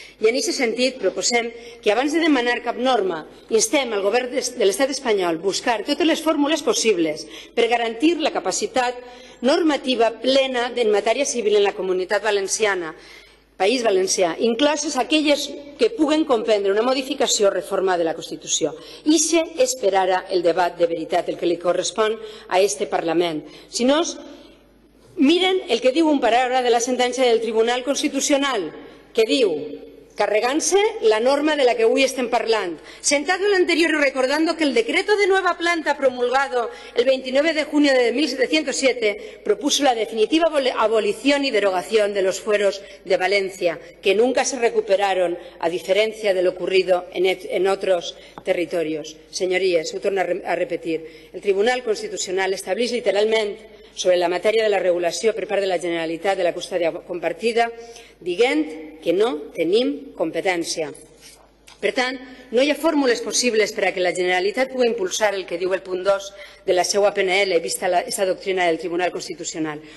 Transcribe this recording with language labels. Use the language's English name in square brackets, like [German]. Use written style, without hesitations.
[Catalan] I en aquest sentit proposem que abans de demanar cap norma instem al govern de l'Estat espanyol a buscar totes les fórmules possibles per garantir la capacitat normativa plena en matèria civil en la Comunitat Valenciana, País Valencià, incloses aquelles que puguen comprendre una modificació o reforma de la Constitució. I se esperara el debat de veritat, el que li correspon a este Parlament. Si no, miren el que diu un paràgraf de la sentència del Tribunal Constitucional, que diu, carregant-se la norma de la que avui estem parlant, [Spanish] sentado en l'anterior i recordando que el decreto de nueva planta promulgado el 29 de junio de 1707 propuso la definitiva abolición y derogación de los fueros de Valencia, que nunca se recuperaron a diferencia de lo ocurrido en otros territorios. [Catalan] Señorías, ho torno a repetir, el Tribunal Constitucional [Spanish] establece literalmente sobre [Catalan] la matèria de la regulació per part de la Generalitat de la custòdia compartida, dient que no tenim competència. Per tant, no hi ha fórmules possibles per a que la Generalitat pugui impulsar el que diu el punt 2 de la seva PNL, vista aquesta doctrina del Tribunal Constitucional.